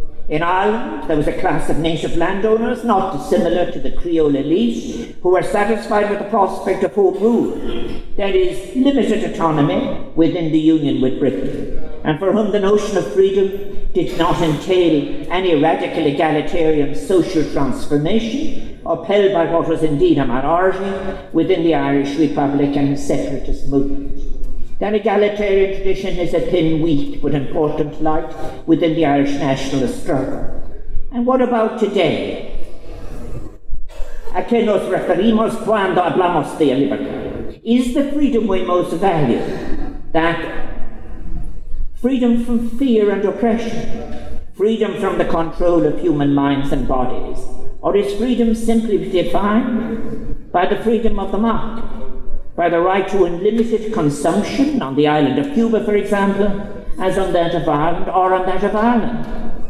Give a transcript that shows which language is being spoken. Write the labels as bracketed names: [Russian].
[English] In Ireland, there was a class of native landowners, not dissimilar to the Creole elite, who were satisfied with the prospect of home rule, that is, limited autonomy within the Union with Britain, and for whom the notion of freedom did not entail any radical egalitarian social transformation upheld by what was indeed a minority within the Irish Republican separatist movement. That egalitarian tradition is a thin, weak, but important light within the Irish nationalist struggle. And what about today? [Spanish] A que nos referimos cuando hablamos de libertad? [English] Is the freedom we most value that freedom from fear and oppression, freedom from the control of human minds and bodies, or is freedom simply defined by the freedom of the market, by the right to unlimited consumption on the island of Cuba, for example, as on that of Ireland, or on that of Ireland?